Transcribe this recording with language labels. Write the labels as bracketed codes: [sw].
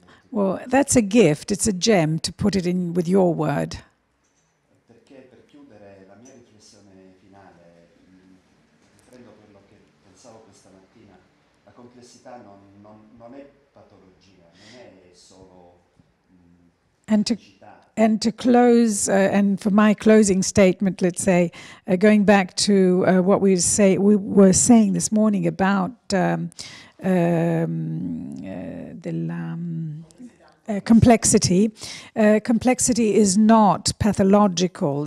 [en] Well, that's a gift, it's a gem, to put it in with your word. [it] Perché per chiudere la mia riflessione finale, prendo quello che pensavo questa mattina, la complessità non è patologia, non è solo [en] And for my closing statement, let's say, going back to what we were saying this morning about complexity is not pathological.